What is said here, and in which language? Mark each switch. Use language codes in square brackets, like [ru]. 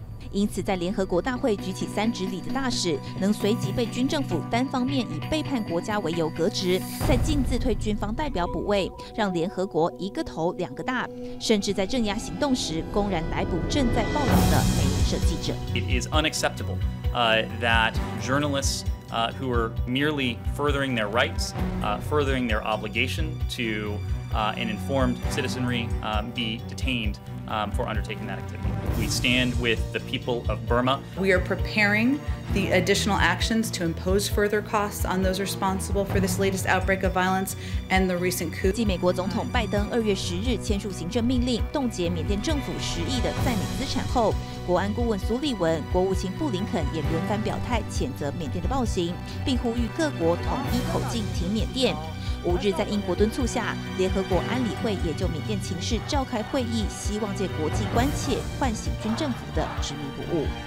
[zh] 因此，在联合国大会举起三指礼的大使，能随即被军政府单方面以背叛国家为由革职，再径自退军方代表补位，让联合国一个头两个大，甚至在镇压行动时公然逮捕正在报道的美联社记者。 [en] It is unacceptable, that journalists, who are merely furthering their rights, furthering their obligation to, an informed citizenry, be detained, for undertaking that activity. We stand with the people of Burma. We are preparing the additional actions to impose further costs on those responsible for this latest outbreak of violence and the recent coup. [zh] 继美国总统拜登二月十日签署行政命令冻结缅甸政府十亿的在缅资产后，国安顾问苏利文、国务卿布林肯也轮番表态谴责缅甸的暴行，并呼吁各国统一口径挺缅甸。五日，在英国敦促下，联合国安理会也就缅甸情势召开会议，希望借国际关切唤醒军政府的执迷不悟。